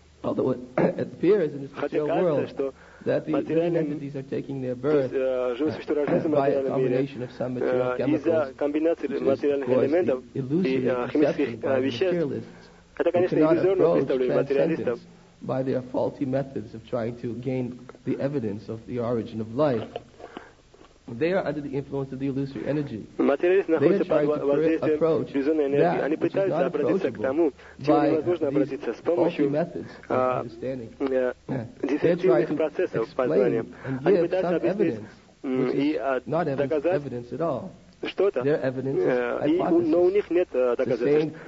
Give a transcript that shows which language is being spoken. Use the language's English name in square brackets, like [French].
[Russian] Хотя кажется, что живые существа рождаются в материальном мире из-за комбинации материальных элементов и химических веществ. Это, конечно, иллюзорно представляет материалистов. [English] By their faulty methods of trying to gain the evidence of the origin of life, they are under the influence of the illusory energy. [Russian] Материалисты находятся под воздействием иллюзорной энергии. Они пытаются обратиться к тому, чему невозможно обратиться с помощью дефективных процессов познания. Они пытаются объяснить, что-то, но у них нет доказательств.